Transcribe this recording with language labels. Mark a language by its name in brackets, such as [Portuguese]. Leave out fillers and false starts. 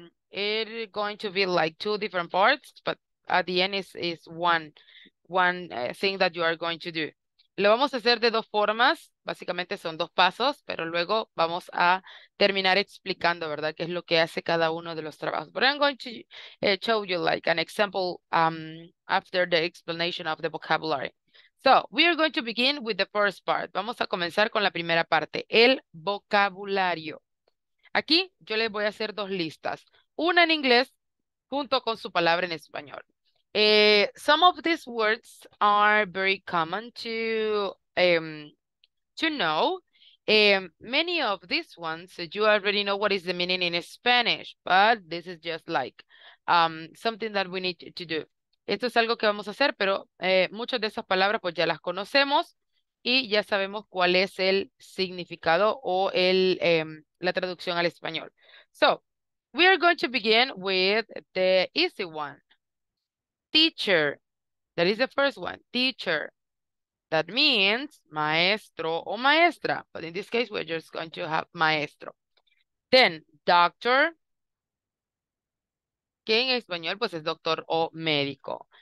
[English] It's going to be like two different parts, but at the end is one thing that you are going to do. [Spanish] Lo vamos a hacer de dos formas, básicamente son dos pasos, pero luego vamos a terminar explicando, ¿verdad?, qué es lo que hace cada uno de los trabajos. [English] But I'm going to show you like an example after the explanation of the vocabulary. So, we are going to begin with the first part. [Spanish] Vamos a comenzar con la primera parte, el vocabulario. Aquí yo les voy a hacer dos listas, una en inglés junto con su palabra en español. [English] Some of these words are very common to know. Many of these ones, you already know what is the meaning in Spanish, but this is just like something that we need to do. [Spanish] Esto es algo que vamos a hacer, pero muchas de esas palabras pues ya las conocemos y ya sabemos cuál es el significado o el la traducción al español. [English] So, we are going to begin with the easy one. Teacher, that is the first one, teacher, that means [Spanish] maestro o maestra, [English] but in this case, we're just going to have maestro. [Spanish] Then, doctor, que en español, pues es doctor o médico.